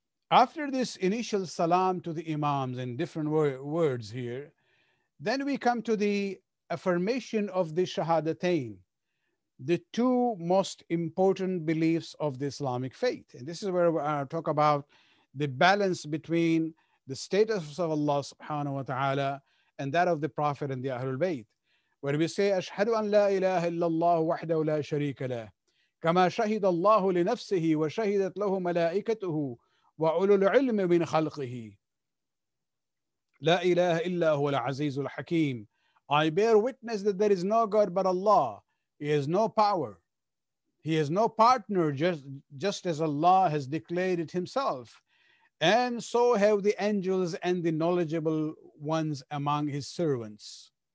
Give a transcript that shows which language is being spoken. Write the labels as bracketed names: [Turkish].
[English] After this initial salam to the imams in different words here, then we come to the affirmation of the shahadatain, the two most important beliefs of the Islamic faith. And this is where we talk about the balance between the status of Allah subhanahu wa ta'ala and that of the Prophet and the Ahlul Bayt. Where we say, [Arabic] أشهد أن لا إله إلا الله وحده لا شريك له كما شهد الله لنفسه وشهدت له ملائكته وأولو العلم من خلقه لا إله إلا هو العزيز الحكيم. [English] I bear witness that there is no God but Allah. He has no power. He has no partner, just as Allah has declared it himself. And so have the angels and the knowledgeable ones among his servants.